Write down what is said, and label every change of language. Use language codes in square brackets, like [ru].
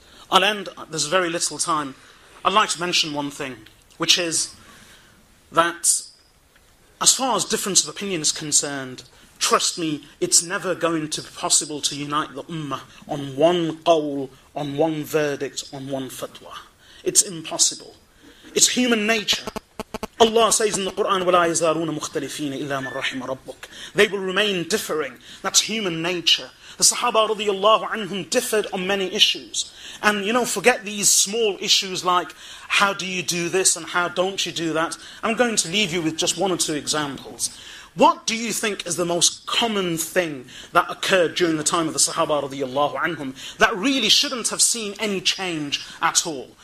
[en] I'll end, there's very little time. I'd like to mention one thing, which is that as far as difference of opinion is concerned, trust me, it's never going to be possible to unite the ummah on one qawl, on one verdict, on one fatwa. It's impossible. It's human nature. Allah says in the Quran, [ar] وَلَا يَزَارُونَ مُخْتَلِفِينَ إِلَّا مَنْ رَحِمَ رَبُّكَ. [en] They will remain differing. That's human nature. The Sahaba radiallahu anhum differed on many issues. And you know, forget these small issues like how do you do this and how don't you do that. I'm going to leave you with just one or two examples. What do you think is the most common thing that occurred during the time of the Sahaba radiallahu anhum that really shouldn't have seen any change at all?